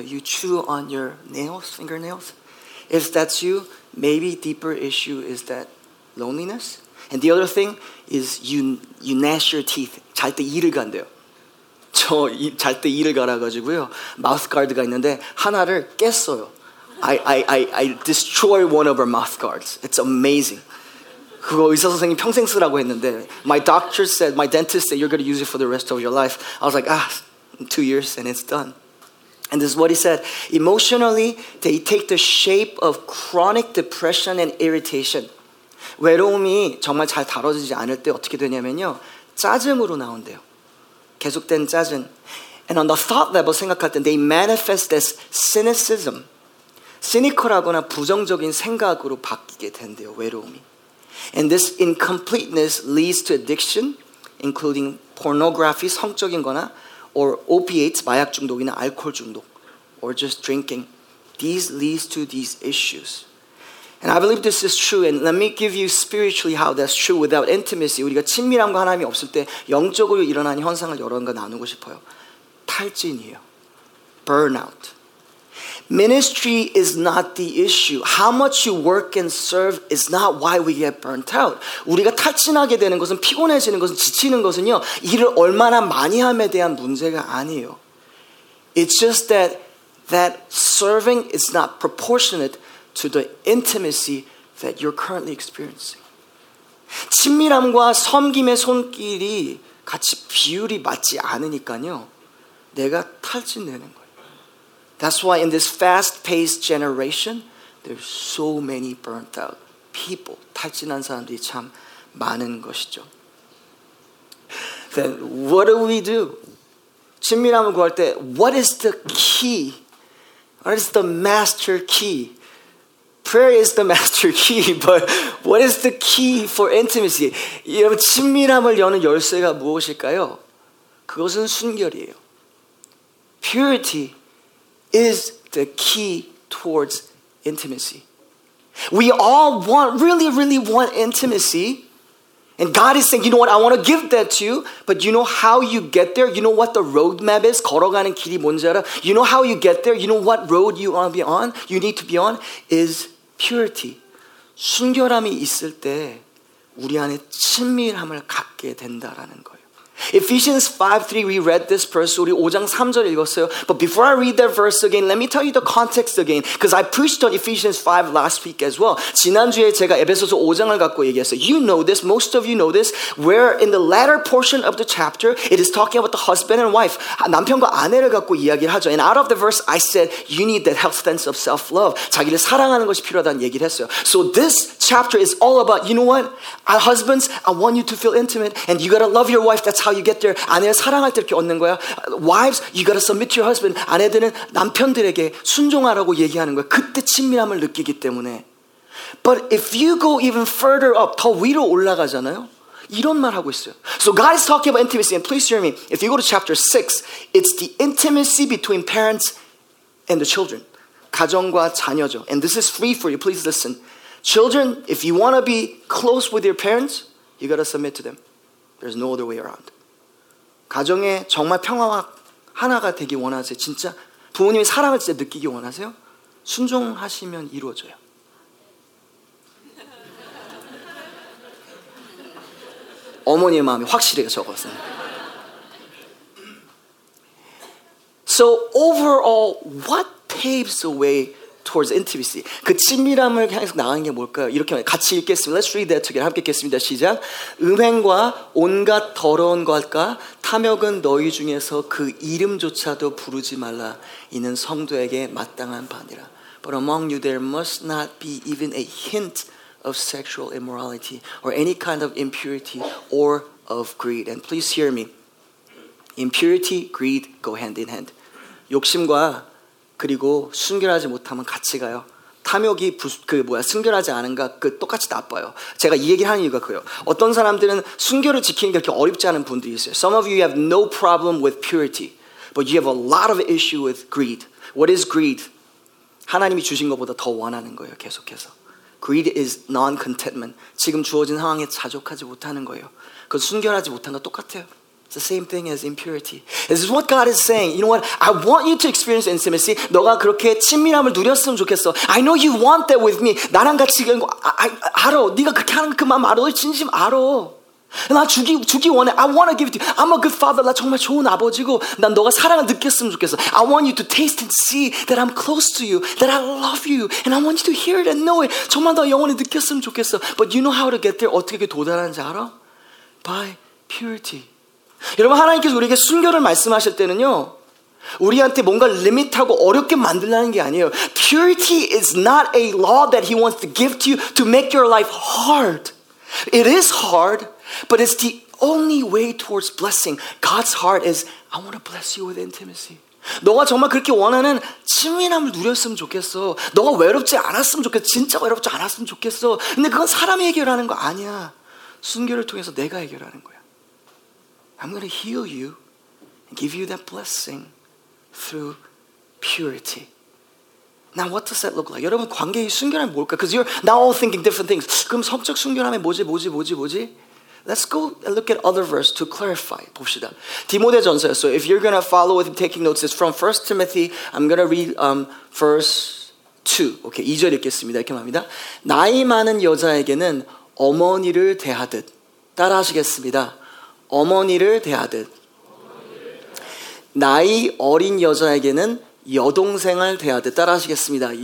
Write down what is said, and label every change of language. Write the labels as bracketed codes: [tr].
[en] You chew on your nails, fingernails. If that's you, maybe deeper issue is that loneliness. And the other thing is you gnash your teeth. [ko] 잘 때 이를 간대요. 저 잘 때 이를 갈아가지고요. 마우스 가드가 있는데 하나를 깼어요. [en] I destroy one of our mouth guards. It's amazing. [ko] 그거 의사 선생님 평생 쓰라고 했는데 [en] my doctor said, my dentist said, you're going to use it for the rest of your life. I was like, ah, 2 years and it's done. And this is what he said. Emotionally, they take the shape of chronic depression and irritation. [ko] 외로움이 정말 잘 다뤄지지 않을 때 어떻게 되냐면요. 짜증으로 나온대요. 계속된 짜증. [en] And on the thought level [ko] 생각할 때 [en] they manifest as cynicism. [ko] 시니컬하거나 부정적인 생각으로 바뀌게 된대요, 외로움이. [en] And this incompleteness leads to addiction, including pornography, [ko] 성적인 거나, [en] or opiates, [ko] 마약 중독이나 알코올 중독, [en] or just drinking. These leads to these issues. And I believe this is true, and let me give you spiritually how that's true without intimacy. [ko] 우리가 친밀함과 하나님이 없을 때 영적으로 일어나는 현상을 여러분과 나누고 싶어요. 탈진이에요. [en] Burnout. Ministry is not the issue. How much you work and serve is not why we get burnt out. [ko] 우리가 탈진하게 되는 것은, 피곤해지는 것은, 지치는 것은요, 일을 얼마나 많이 함에 대한 문제가 아니에요. [en] It's just that serving is not proportionate to the intimacy that you're currently experiencing. [ko] 친밀함과 섬김의 손길이 같이 비율이 맞지 않으니까요, 내가 탈진되는 거예요. [en] That's why in this fast-paced generation, there's so many burnt out people. [ko] 탈진한 사람들이 참 많은 것이죠. [en] Then what do we do? [ko] 친밀함을 구할 때, [en] what is the key? What is the master key? Prayer is the master key, but what is the key for intimacy? [ko] 여러분, 친밀함을 여는 열쇠가 무엇일까요? 그것은 순결이에요. [en] Purity is the key towards intimacy. We all want, really, really want intimacy. And God is saying, you know what, I want to give that to you, but you know how you get there? You know what the roadmap is? [ko] 걸어가는 길이 뭔지 알아? [en] You know how you get there? You know what road you want to be on? You need to be on? Is purity. [ko] 순결함이 있을 때 우리 안에 친밀함을 갖게 된다라는 거예요. [en] Ephesians 5:3, we read this verse. [ko] 우리 5장 3절 읽었어요. [en] But before I read that verse again, let me tell you the context again. Because I preached on Ephesians 5 last week as well. [ko] 지난주에 제가 에베소서 5장을 갖고 얘기했어요. [en] You know this, most of you know this, where in the latter portion of the chapter, it is talking about the husband and wife. [ko] 남편과 아내를 갖고 이야기를 하죠. [en] And out of the verse, I said, you need that health sense of self-love. [ko] 자기를 사랑하는 것이 필요하다는 얘기를 했어요. [en] So this chapter is all about, you know what? Husbands, I want you to feel intimate, and you gotta love your wife. That's how you get there. [ko] 아내를 사랑할 때 이렇게 얻는 거야. [en] Wives, you gotta submit to your husband. [ko] 아내들은 남편들에게 순종하라고 얘기하는 거야. 그때 친밀함을 느끼기 때문에. [en] But if you go even further up, [ko] 더 위로 올라가잖아요. 이런 말 하고 있어요. [en] So God is talking about intimacy, and please hear me. If you go to chapter 6, it's the intimacy between parents and the children. [ko] 가정과 자녀죠. [en] And this is free for you. Please listen. Children, if you want to be close with your parents, you got to submit to them. There's no other way around. [ko] 가정에 정말 평화와 하나가 되기 원하세요? 진짜 부모님의 사랑을 진짜 느끼기 원하세요? 순종하시면 이루어져요. (웃음) 어머니의 마음이 확실해요, 저것은. [en] So overall, what paves the way towards intimacy. [ko] 그 친밀함을 향해서 나가는 게 뭘까요? 이렇게 같이 읽겠습니다. [en] Let's read that together. [ko] 함께 읽겠습니다. 시작. 음행과 온갖 더러운 것과 탐욕은 너희 중에서 그 이름조차도 부르지 말라. 이는 성도에게 마땅한 바니라. [en] But among you there must not be even a hint of sexual immorality or any kind of impurity or of greed. And please hear me. Impurity, greed go hand in hand. [ko] 욕심과 그리고 순결하지 못하면 같이 가요. 탐욕이 순결하지 않은가 그 똑같이 나빠요. 제가 이 얘기를 하는 이유가 그래요. 어떤 사람들은 순결을 지키는 게 그렇게 어렵지 않은 분들이 있어요. [en] Some of you have no problem with purity, but you have a lot of issue with greed. What is greed? [ko] 하나님이 주신 것보다 더 원하는 거예요, 계속해서. [en] Greed is non-contentment. [ko] 지금 주어진 상황에 자족하지 못하는 거예요. 그건 순결하지 못한 거 똑같아요. [en] It's the same thing as impurity. This is what God is saying. You know what? I want you to experience intimacy. [ko] 너가 그렇게 친밀함을 누렸으면 좋겠어. [en] I know you want that with me. [ko] 나랑 같이 그런 거 알아. 네가 그렇게 하는 그 마음 알아. 진심 알아. 나 주기 원해. [en] I want to give it to you. I'm a good father. [ko] 나 정말 좋은 아버지고 난 너가 사랑을 느꼈으면 좋겠어. [en] I want you to taste and see that I'm close to you, that I love you, and I want you to hear it and know it. [ko] 정말 너 영원히 느꼈으면 좋겠어. [en] But you know how to get there? [ko] 어떻게 도달하는지 알아? [en] By purity. [ko] 여러분 하나님께서 우리에게 순결을 말씀하실 때는요 우리한테 뭔가 리밋하고 어렵게 만들라는 게 아니에요. [en] Purity is not a law that he wants to give to you to make your life hard. It is hard, but it's the only way towards blessing. God's heart is, I want to bless you with intimacy. [ko] 너가 정말 그렇게 원하는 친밀함을 누렸으면 좋겠어. 너가 외롭지 않았으면 좋겠어. 진짜 외롭지 않았으면 좋겠어. 근데 그건 사람이 해결하는 거 아니야. 순교를 통해서 내가 해결하는 거야. [en] I'm going to heal you and give you that blessing through purity. Now, what does that look like? [ko] 여러분, 관계의 순결함이 뭘까? [en] Because you're now all thinking different things. [ko] 그럼 성적 순결함이 뭐지? [en] Let's go and look at other verse to clarify. [ko] 봅시다. 디모데전서. [en] So if you're going to follow with taking notes, it's from 1 Timothy. I'm going to read verse 2. Okay, [ko] 2절 읽겠습니다. 이렇게 말합니다. 나이 많은 여자에게는 어머니를 대하듯. 따라하시겠습니다. 어머니를 대하듯. 나이 어린 여자에게는 여동생을 대하듯. 따라하시겠습니다.